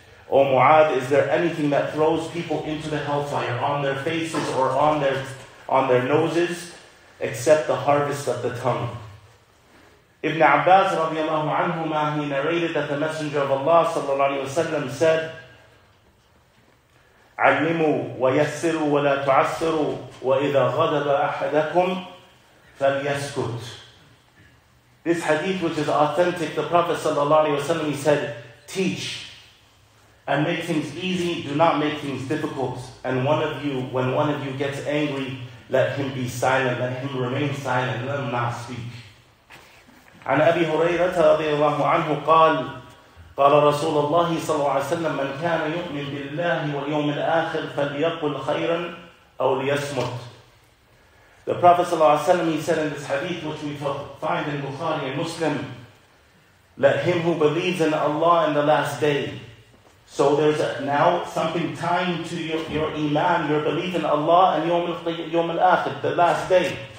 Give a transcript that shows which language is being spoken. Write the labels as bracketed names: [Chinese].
[English] O Mu'adh, is there anything that throws people into the hellfire on their faces or on their noses except the harvest of the tongue? Ibn Abbas radiallahu anhu, he narrated that the Messenger of Allah ﷺ said, [Arabic] علموا ويسروا ولا تعسروا وإذا غضب أحدكم فليسكت. [English] This hadith, which is authentic, the Prophet sallallahu alaihi wasallam, he said, teach and make things easy, do not make things difficult. And when one of you gets angry, let him be silent, let him remain silent, let him not speak. [Arabic] عن أبي هريرة رضي الله عنه قال قال رسول الله صلى الله عليه وسلم من كان يؤمن بالله واليوم الآخر فليقل خيرا أو ليصمت. [English] The Prophet صلى الله عليه وسلم, he said in this hadith which we find in Bukhari and Muslim, let him who believes in Allah in the last day. So there's now something tying to your iman, your belief in Allah and يوم الآخر, the last day.